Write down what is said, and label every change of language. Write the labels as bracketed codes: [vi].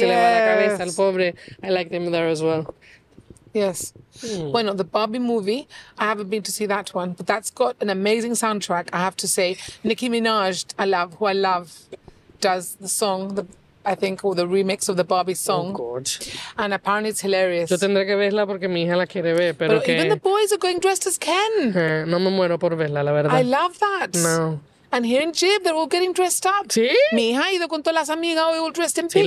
[es] Se le va la cabeza al pobre, [en] I liked him there as well. Yes. [es] Bueno, [en] the Barbie movie, I haven't been to see that one, but that's got an amazing soundtrack, I have to say. Nicki Minaj, who I love, does the song, the remix of the Barbie song. Oh, God. And apparently it's hilarious. [es] Yo tendré que verla porque mi hija la quiere ver, pero que... [en] even the boys are going dressed as Ken. [es] No me muero por verla, la verdad. [en] I love that. No. And here in Jib, they're all getting dressed up. [es] ¿Sí? Mi hija ha ido con todas las amigas, [en] all dressed in pink.